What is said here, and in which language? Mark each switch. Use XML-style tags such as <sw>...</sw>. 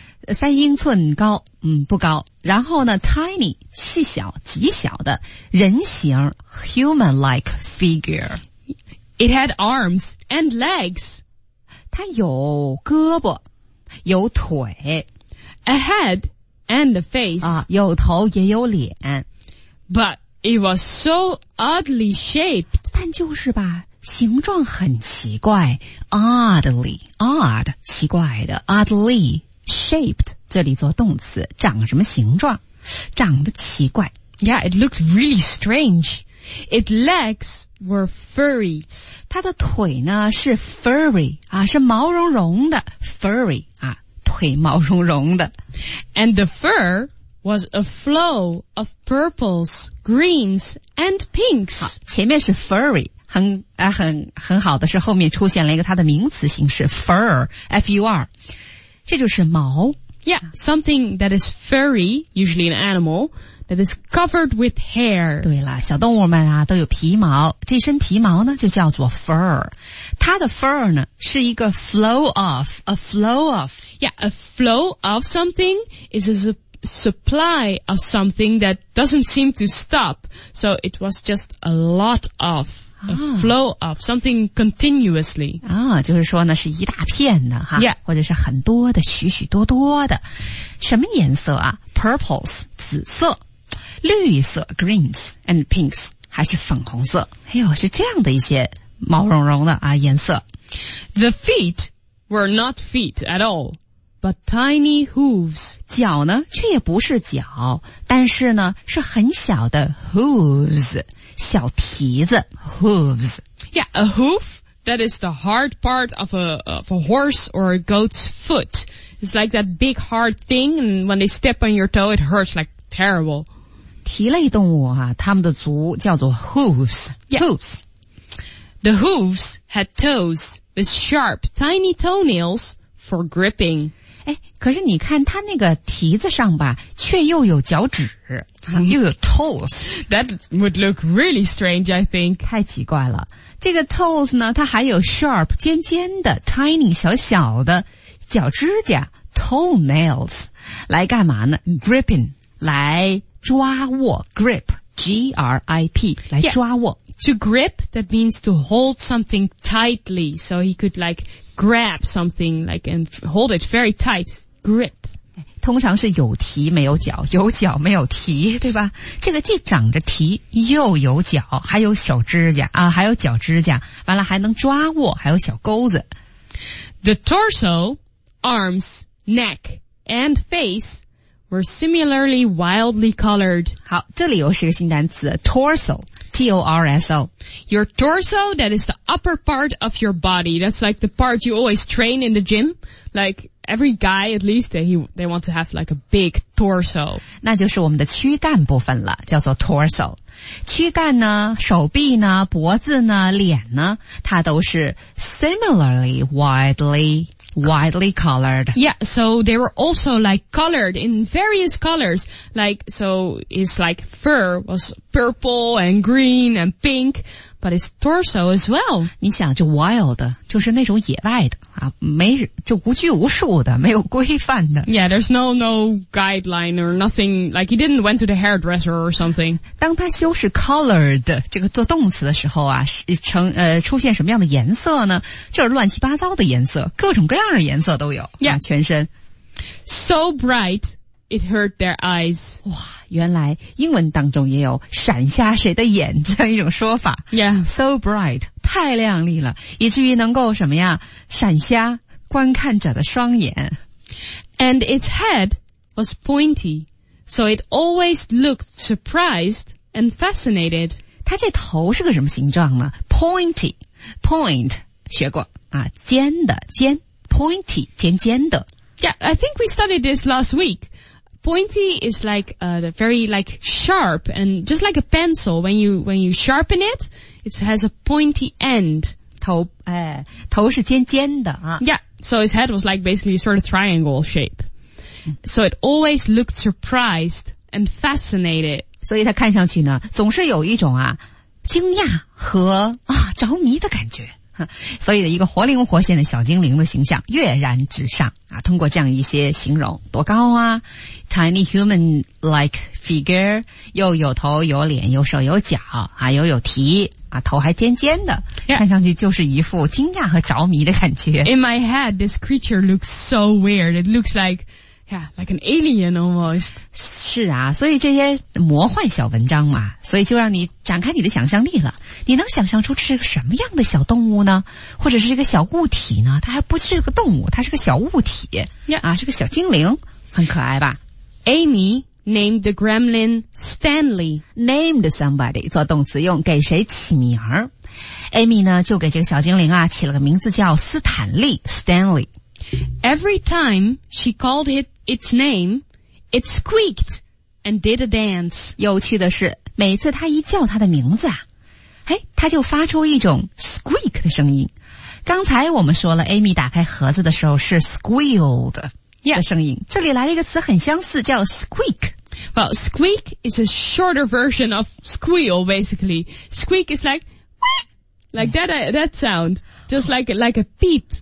<zh>三英寸高，嗯，不高。然后呢 ，tiny， 细小，极小的人形 ，</zh> <en>human-like figure. It had arms and legs.</en> <zh>它有胳膊，有腿</zh> <en>，a head and a face.</en> <zh>啊，有头也有脸。</zh> <en>But it was so oddly shaped.</en> <zh>但就是吧。形状很奇怪 ,oddly, odd, 奇怪的 ,</zh> <en>oddly, shaped,</en> <zh>这里做动词长什么形状长得奇怪。</zh> <en>Yeah, it looks really strange. Its legs were furry.</en> <zh>它的腿呢是 furry, 啊是毛茸茸的 ,furry, 啊腿毛茸茸的。</zh> <en>And the fur was a flow of purples, greens, and pinks.</en> <zh>好前面是 furry,很好的是后面出现了一个它的名词形式 fur, F-U-R, 这就是毛。</zh> <en>Yeah, something that is furry, usually an animal, that is covered with hair.</en> <zh>对了小动物们啊都有皮毛这身皮毛呢就叫做 fur。它的 fur 呢是一个</zh> <en>flow of, a flow of. Yeah, a flow of something is a supply of something that doesn't seem to stop, so it was just a lot of. A flow of something continuously.</en> <zh>啊就是说呢是一大片的哈、</zh> <en>yeah.</en> <zh>或者是很多的许许多多的。什么颜色啊 ?Purples, 紫色。绿色 ,</zh> <en>greens and pinks,</en> <zh>还是粉红色。哎呦是这样的一些毛茸茸的啊颜色。</zh> <en>The feet were not feet at all, but tiny hooves.</en> <zh>脚呢却也不是脚但是呢是很小的 hooves。小蹄子 hooves.</zh> <en>Yeah, a hoof, that is the hard part of a horse or a goat's foot. It's like that big hard thing, and when they step on your toe, it hurts like terrible.</en> <zh>蹄类动物啊它们的足叫做 hooves,</zh> <en>yeah. hooves. The hooves had toes with sharp, tiny toenails for gripping.</en> <zh>诶可是你看它那个蹄子上吧却又有脚趾、mm-hmm. 又有 toes.</zh> <en>That would look really strange, I think.</en> <zh>太奇怪了。这个 toes 呢它还有 sharp, 尖尖的 tiny, 小小的脚指甲 toenails, 来干嘛呢 ?gripping, 来抓握 ,grip, G-R-I-P, 来抓握。</zh> <en>Yeah. To grip, that means to hold something tightly, so he could like,grab something, like, and hold it very tight, grip.</en> <zh>通常是有蹄没有脚有脚没有蹄对吧这个既长着蹄又有脚还有小指甲啊还有脚指甲完了还能抓握还有小钩子。</zh> <en>The torso, arms, neck, and face were similarly wildly colored.</en> <zh>好这里又是个新单词 ,torso.</zh> <en>T-O-R-S-O. Your torso, that is the upper part of your body. That's like the part you always train in the gym. Like every guy, at least, they want to have like a big torso.</en> <zh>那就是我们的躯干部分了，叫做 torso. 躯干呢，手臂呢，脖子呢，脸呢，它都是</zh> <en>similarly widely colored. Yeah, so they were also like colored in various colors. Like, so his like fur was purple and green and pink, but his torso as well.</en> <zh>你想就 wild, 就是那种野外的啊，没就无拘无束的，没有规范的。</zh> <en>Yeah, there's no guideline or nothing, like he didn't went to the hairdresser or something.</en> <zh>当他修饰 colored, 这个做动词的时候啊出现什么样的颜色呢就是乱七八糟的颜色各种各样的颜色都有、</zh> <en>yeah.</en> <zh>啊全身。</zh> <en>So bright, it hurt their eyes.</en> <zh>哇原来英文当中也有闪瞎谁的眼这样一种说法。</zh> <en>Yeah. So bright,</en> <zh>太亮丽了以至于能够什么呀闪瞎观看者的双眼。</zh> <en>And its head was pointy, so it always looked surprised and fascinated.</en> <zh>它这头是个什么形状呢 ?pointy, point, 学过啊尖的尖 ,pointy, 尖尖的。</zh> <en>Yeah, I think we studied this last week. pointy is like the very like sharp, and just like a pencil, when you sharpen it, it has a pointy end.</en> <zh>头是尖尖的啊。</zh> <en>Yeah, so his head was like basically sort of triangle shape. So it always looked surprised and fascinated.</en> <zh>所以他看上去呢，总是有一种啊惊讶和啊着迷的感觉。所以一个活灵活现的小精灵的形象跃然纸上啊，通过这样一些形容，多高啊，</zh> <en>tiny human like figure，</en> <zh>又有头有脸有手有脚啊，又有蹄啊，头还尖尖的、</zh> <en>yeah.</en> <zh>看上去就是一副惊讶和着迷的感觉。</zh> <en>In my head this creature looks so weird. It looks like yeah, like an alien almost.</en> <zh>是啊，所以这些魔幻小文章嘛，所以就让你展开你的想象力了。你能想象出这是个什么样的小动物呢？或者是这个小物体呢？它还不是个动物，它是个小物体。</zh> <en>Yeah.</en> <zh>啊，是个小精灵，很可爱吧。</zh> <en>Amy named the gremlin Stanley. Named somebody,</en> <zh>做动词用，给谁起名儿。 Amy 呢，就给这个小精灵啊，起了个名字叫斯坦利 ,Stanley。</zh> <en>Every time she called it its name, it squeaked and did a dance.</en> <zh>有趣的是，每次她一叫她的名字啊，哎，她就发出一种 squeak 的声音。刚才我们说了 ，Amy 打开盒子的时候是 squealed 的声音。</zh> <en>Yeah.</en> <zh>这里来了一个词，很相似，叫 squeak。</zh> <en>Well, squeak is a shorter version of squeal. Basically, squeak is like that sound, just like a peep.</en>